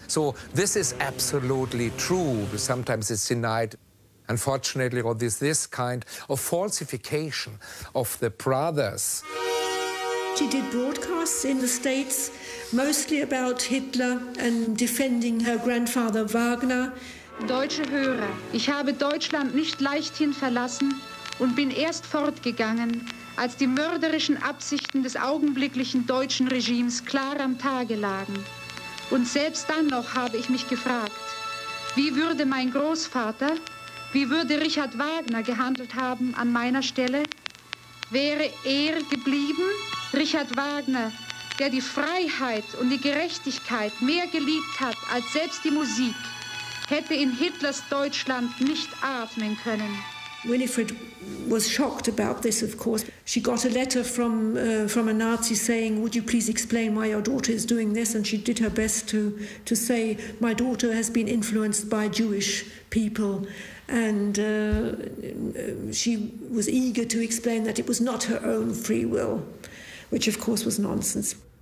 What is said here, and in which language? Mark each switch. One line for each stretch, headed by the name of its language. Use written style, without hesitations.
English: So this is absolutely true. Sometimes it's denied, unfortunately, or this kind of falsification of the brothers. She did broadcasts in the States, mostly about Hitler and defending her grandfather Wagner.
German: Deutsche Hörer, ich habe Deutschland nicht leichthin verlassen, und bin erst fortgegangen, als die mörderischen Absichten des augenblicklichen deutschen Regimes klar am Tage lagen. Und selbst dann noch habe ich mich gefragt, wie würde mein Großvater, wie würde Richard Wagner gehandelt haben an meiner Stelle? Wäre er geblieben, Richard Wagner, der die Freiheit und die Gerechtigkeit mehr geliebt hat als selbst die Musik, hätte in Hitlers Deutschland nicht atmen können.
English: Winifred was shocked about this, of course. She got a letter from a Nazi saying, would you please explain why your daughter is doing this? And she did her best to say, my daughter has been influenced by Jewish people. And she was eager to explain that it was not her own free will, which, of course, was nonsense.